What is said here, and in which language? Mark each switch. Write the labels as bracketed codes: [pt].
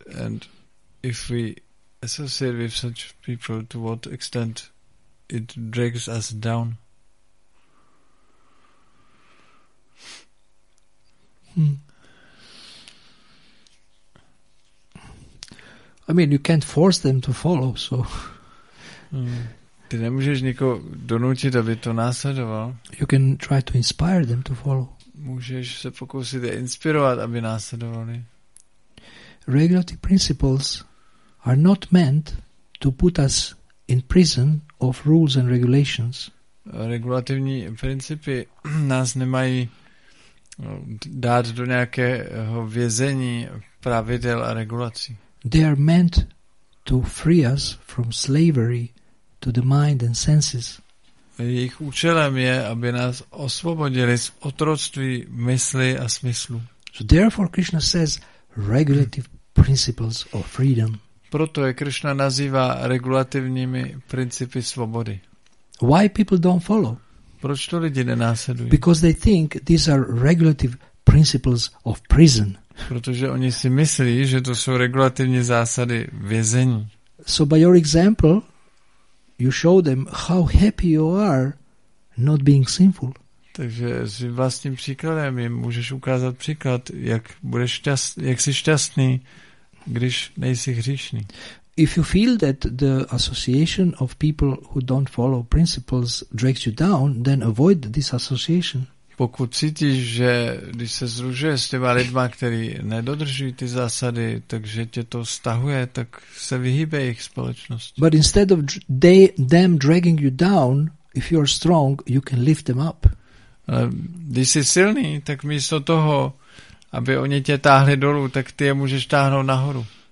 [en] And if we associate with such people, to what extent it drags us down? I mean, you can't force them to follow, so... [cs] Ty nemůžeš nikoho donutit, aby to následoval. [en] You can try to inspire them to follow. [cs] Můžeš se pokusit je inspirovat, aby následovali. [en] Regulative principles are not meant to put us in prison of rules and regulations. [cs] Regulativní principy nás nemají dát do nějakého vězení pravidel a regulací. [en] They are meant to free us from slavery to the mind and senses. [cs] Jejich účelem je, aby nás osvobodili z otroctví mysli a smyslu. [en] So therefore Krishna says regulative principles of freedom. [cs] Proto je Krishna nazývá regulativními principy svobody. [en] Why people don't follow? [cs] Proč to lidi nenásledují? [en] Because they think these are regulative principles of prison. [cs] Protože oni si myslí, že to jsou regulativní zásady vězení. [en] So by your example you show them how happy you are not being sinful. [cs] Takže s vlastním příkladem jim můžeš ukázat příklad, jak budeš šťastný, jak jsi šťastný, když nejsi hříšný. [en] If you feel that the association of people who don't follow principles drags you down, then avoid this association. [cs] Pokud cítíš, že když se sružuje s těma lidma, který nedodržují ty zásady, takže tě to stahuje, tak se vyhýbej jejich společnosti. [en] But instead of them dragging you down, if you are strong, you can lift them up. [cs] Když jsi silný, tak místo toho, aby oni tě táhli dolů, tak ty je můžeš táhnout nahoru.